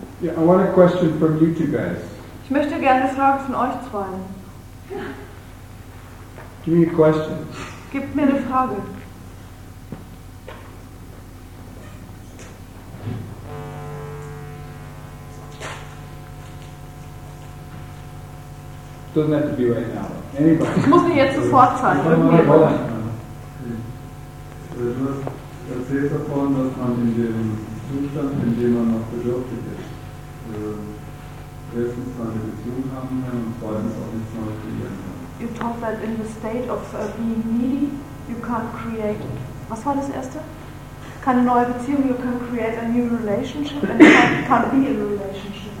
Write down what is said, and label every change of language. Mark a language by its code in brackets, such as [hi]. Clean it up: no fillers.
[en] Yeah, I want a question from you two guys. [de] Ich möchte gerne eine Frage von euch zwei. [en] Give me a question. [de] Gib mir eine Frage. [en] Doesn't have to be right now. Anybody. [de] Es muss nicht jetzt sofort sein. Du erzählst davon, dass man in dem Zustand, in dem man noch bedürftig ist, erstens eine Beziehung haben kann und zweitens auch nichts Neues kreieren kann. [en] You talk that in the state of being needy, you can't create. [de] Was war das erste? Keine neue Beziehung, [en] you can't create a new relationship and can't be in a relationship.